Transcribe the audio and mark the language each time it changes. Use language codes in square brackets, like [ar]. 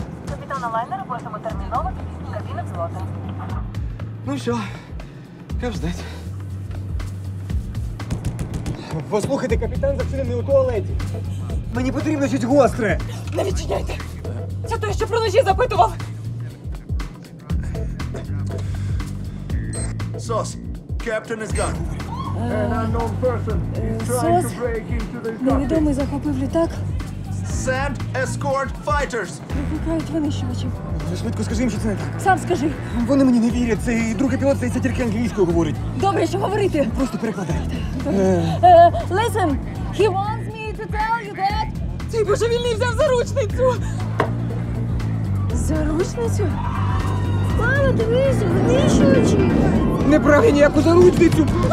[uk] Капітана лайнера просимо терміново підійти до кабіни пілота. Ну що, як ждать. Послухайте, капітан зачинений у туалеті. Мені потрібно щось гостре. Не відчиняйте. Це той, що про ножі запитував. [en] Сос, Captain is gone. [uk] Сос, невідомий захопив літак. [en] Send escort fighters. [uk] Викликають винищувачів. Швидко скажи їм, що це не так. Сам скажи. Вони мені не вірять, це і другий пілот, здається, тільки англійською говорить. Добре, що говорити? Просто перекладай. [en] Listen, he wants me to tell you that... [uk] Цей божевільний взяв заручницю. Заручницю? Пане, дивись, винищувачі. Не прагай ніяку заручницю!